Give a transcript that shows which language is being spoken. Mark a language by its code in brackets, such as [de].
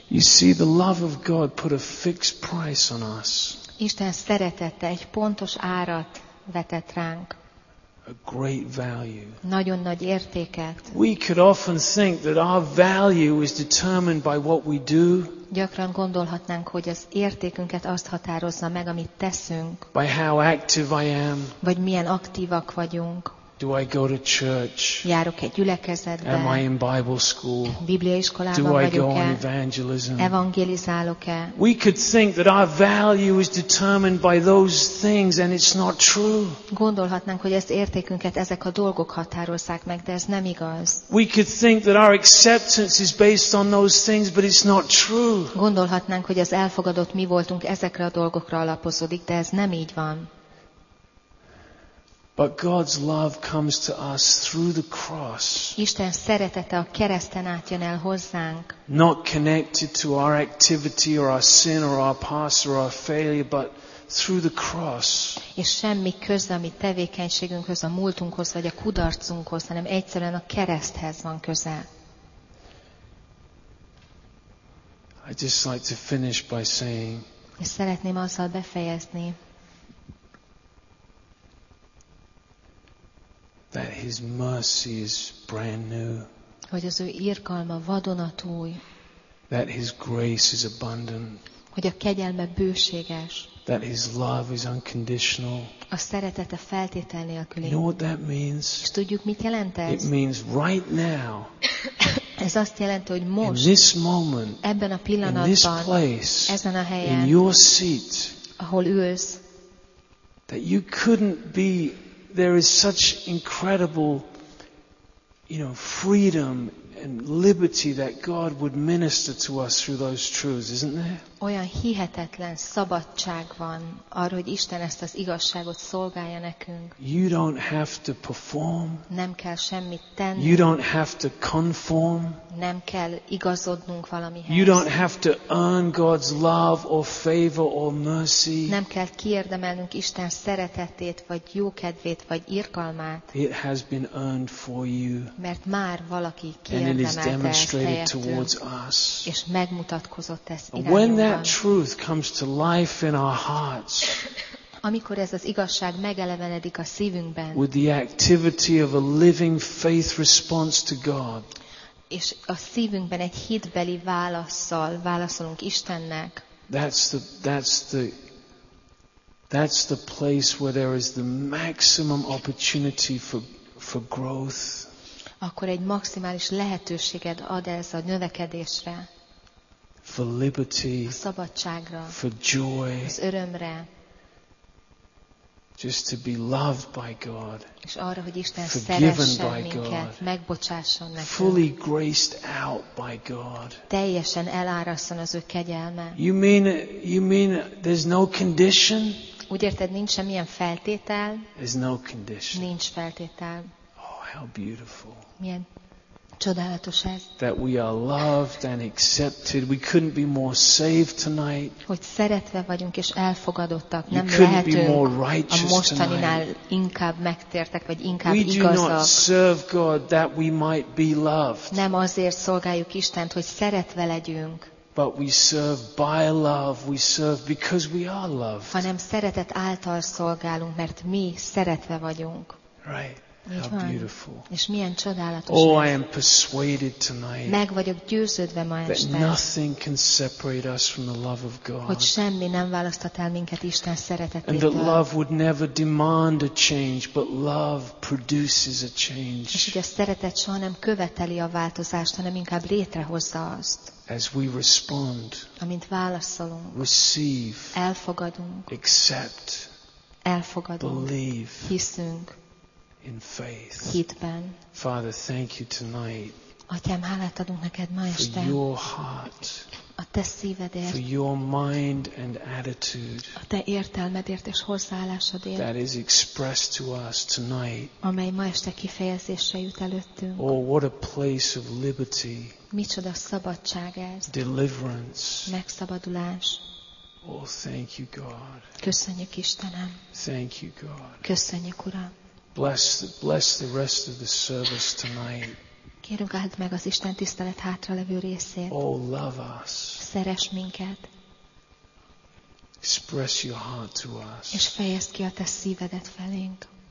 [en] You see, the love of God put a fixed price on us. [hu] Isten szeretete egy pontos árat vetett ránk. [en] A great value. [hu] Nagyon nagy értéket. [en] We could often think that our value is determined by what we do. [hu] Gyakran gondolhatnánk, hogy az értékünket azt határozza meg, amit teszünk. [en] By how active I am. [hu] Vagy milyen aktívak vagyunk. [en] Do I go to church? [hu] Járok egy gyülekezetbe? [en] Am I in Bible school? [hu] Bibliaiskolában vagyok-e? [en] Do I go on evangelism? [hu] Evangelizálok-e? [en] We could think that our value is determined by those things, and it's not true. [hu] Gondolhatnánk, hogy ezt értékünket ezek a dolgok határozzák meg, de ez nem igaz. [en] We could think that our acceptance is based on those things, but it's not true. [hu] Gondolhatnánk, hogy az elfogadott mi voltunk ezekre a dolgokra alapozódik, de ez nem így van. [en] But God's love comes to us through the cross. [hu] Isten szeretete a kereszten átjön el hozzánk. [en] Not connected to our activity or our sin or our past or our failure, but through the cross. [hu] És semmi köze a mi tevékenységünkhöz, a múltunkhoz vagy a kudarcunkhoz, hanem egyszerűen a kereszthez van köze. [en] I just like to finish by saying. [hu] És szeretném azzal befejezni. [en] That his mercy is brand new. [hu] Hogy az ő irgalma vadonatúj. [en] That his grace is abundant. [hu] Hogy a kegyelme bőséges. [en] That his love is unconditional. [hu] A szeretete feltétel nélküli. [en] You know what that means? [hu] És tudjuk, mit jelent ez? [en] It means right now. [hu] Ez azt jelenti, hogy most. [en] In this moment. [hu] Ebben a pillanatban. [en] In this place. [hu] Ezen a helyen. [en] In your seat. [hu] Ahol ülsz. [en] That you couldn't be. There is such incredible, you know, freedom and liberty that God would minister to us through those truths, isn't there? [hu] Olyan hihetetlen szabadság van arra, hogy Isten ezt az igazságot szolgálja nekünk. [en] You don't have to perform. [hu] Nem kell semmit tenni. [en] You don't have to conform. [hu] Nem kell igazodnunk valamihez. [en] You don't have to earn God's love or favor or mercy. [hu] Nem kell kiérdemelnünk Isten szeretetét vagy jókedvét vagy irgalmát. [en] It has been earned for you. [hu] Mert már valaki kiérdemelte. [en] And it is demonstrated towards us. [hu] És megmutatkozott ezt irányunkban. [en] When that truth comes to life in our hearts, [hu] amikor ez az igazság megelevenedik a szívünkben, [en] with the activity of a living faith response to God, [hu] és a szívünkben egy hitbeli válaszsal válaszolunk Istennek, [en] that's the place where there is the maximum opportunity for growth, [hu] akkor egy maximális lehetőséged ad ez a növekedésre. [en] For liberty, [hu] a szabadságra, [en] for joy, [hu] az örömre, [en] just to be loved by God, [hu] és arra, hogy Isten [en] forgiven by [hu] minket, [en] God, [hu] megbocsásson nekünk, [en] fully graced out by God, [hu] teljesen elárasszon az ő kegyelme. [en] You mean there's no condition? [hu] Úgy érted, nincs semmilyen feltétel? [en] There's no condition. [hu] Nincs feltétel. [en] Oh, how beautiful. [hu] Milyen csodálatos ez. [en] That we are loved and accepted. We couldn't be more saved tonight. [hu] Hogy szeretve vagyunk és elfogadottak. Nem lehetünk a mostaninál inkább megtértek, vagy inkább igazak. [en] We do not serve God that we might be loved. [hu] Nem azért szolgáljuk Istent, hogy szeretve legyünk. [en] But we serve by love, we serve because we are loved. [hu] Hanem szeretet által szolgálunk, mert mi szeretve vagyunk. [en] Right. How beautiful. [hu] És milyen csodálatos. [en] Oh, I am persuaded tonight. [hu] Meg vagyok győződve ma este. [en] That nothing can separate us from the love of God. [hu] Hogy semmi nem választhat el minket Isten szeretetétől. [en] And that love would never demand a change, but love produces a change. [hu] És hogy a szeretet soha nem követeli a változást, hanem inkább létrehozza azt. [en] As we respond. [hu] Amint válaszolunk. [en] Receive. [hu] Elfogadunk. [en] Accept. [hu] Elfogadunk. [en] Believe. [hu] Hiszünk. [en] In faith. [hu] Hitben. [en] Father, thank you tonight. [hu] Atyám, hálát adunk neked ma este. [en] For your heart. [hu] A te szívedért. [en] For your mind and attitude. [hu] A te értelmedért és hozzáállásodért. [en] That is expressed to us tonight. [hu] Amely ma este kifejezésre jut előttünk. [en] Oh, what a place of liberty. [hu] Micsoda szabadság ez. [en] Deliverance. [hu] Megszabadulás. [en] Oh, thank you, God. [hu] Köszönjük, Istenem. [en] Thank you, God. [hu] Köszönjük, Uram. [en] Bless the rest of the service tonight. [hu] Kérünk, áld meg az Isten tisztelet hátralevő részét. [en] Oh, love us. [hu] Szeress minket. [en] Express your heart to us. [hu] És fejezd ki a te szívedet felénk.